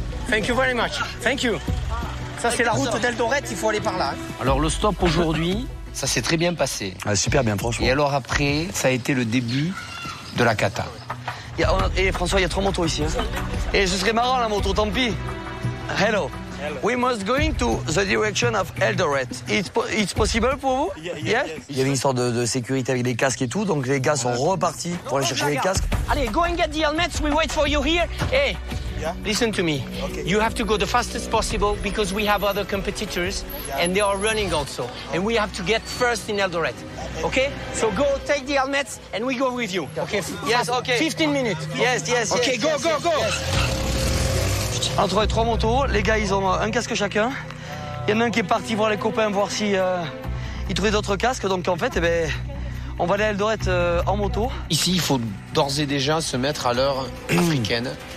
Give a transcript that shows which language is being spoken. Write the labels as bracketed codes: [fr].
[en] Thank you very much. Thank you. [fr] Ça, c'est la route d'Eldorette, il faut aller par là. Alors, le stop aujourd'hui, ça s'est très bien passé. Ah, super bien, franchement. Et alors après, ça a été le début de la cata. François, il y a 3 motos ici. Hein. Et ce serait marrant, la moto, tant pis. [en] Hello. We must go into the direction of Eldoret. It's possible [fr] pour vous? [en] Yes. [fr] Il y avait une histoire de sécurité avec les casques et tout, donc les gars sont repartis pour aller chercher les casques. [en] Allez, go and get the helmets. We wait for you here. Hey, Listen to me. Okay. You have to go the fastest possible because we have other competitors and they are running also. And we have to get first in Eldoret. Okay? So go take the helmets and we go with you. Okay? Yes, okay. 15 minutes. Yes, yes, yes. Okay, go, yes, go, go. Yes. [fr] Entre les trois motos, les gars, ils ont un casque chacun. Il y en a un qui est parti voir les copains, voir si ils trouvaient d'autres casques. Donc en fait, eh ben, on va aller à Eldoret en moto. Ici, il faut d'ores et déjà se mettre à l'heure africaine.